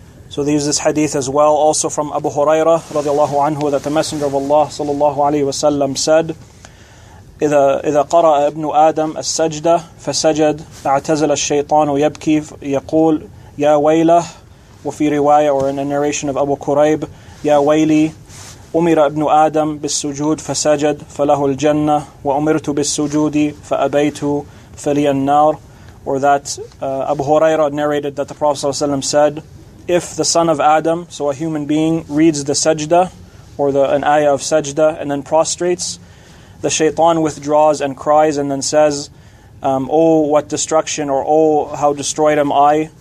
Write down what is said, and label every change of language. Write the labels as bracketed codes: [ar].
[en] So they use this hadith as well, also from Abu Hurairah radiallahu anhu, that the Messenger of Allah sallallahu alayhi wasallam said, [ar] إذا قرأ ابن آدم السجدة فسجد اعتزل الشيطان يبكي يقول يا ويله. وفي رواية, [en] or in a narration of Abu Kurayb, [ar] يا ويلي أمر ابن آدم بالسجود فسجد فله الجنة وأمرت بالسجود فأبيت فلي النار. [en] Or that Abu Hurairah narrated that the Prophet ﷺ said, if the son of Adam, so a human being, reads the sajda, or an ayah of sajda, and then prostrates, the shaitan withdraws and cries, and then says, oh, what destruction, or oh, how destroyed am I?